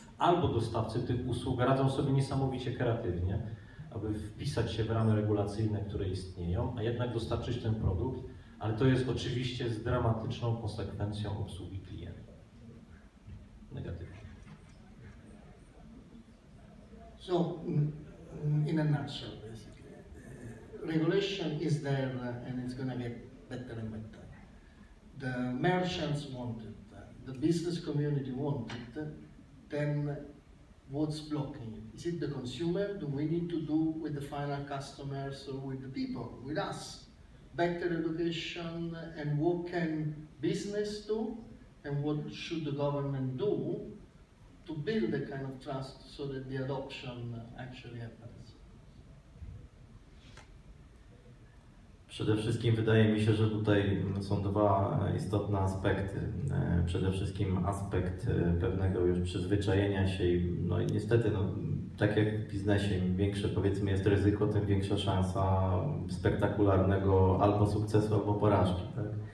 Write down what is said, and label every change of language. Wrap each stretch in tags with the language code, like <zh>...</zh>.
<pl>Albo dostawcy tych usług radzą sobie niesamowicie kreatywnie, aby wpisać się w ramy regulacyjne, które istnieją, a jednak dostarczyć ten produkt, ale to jest oczywiście z dramatyczną konsekwencją obsługi klienta. Negatywnie.</pl> <en>So, in a nutshell, basically, regulation is there and it's going to get better and better. The merchants want it, the business community want it, then what's blocking it? Is it the consumer? Do we need to do with the final customers or with the people, with us? Better education, and what can business do? And what should the government do to build the kind of trust so that the adoption actually happens?</en> <pl>Przede wszystkim wydaje mi się, że tutaj są dwa istotne aspekty. Przede wszystkim aspekt pewnego już przyzwyczajenia się i no i niestety, no, tak jak w biznesie, im większe powiedzmy jest ryzyko, tym większa szansa spektakularnego albo sukcesu, albo porażki. Tak?</pl>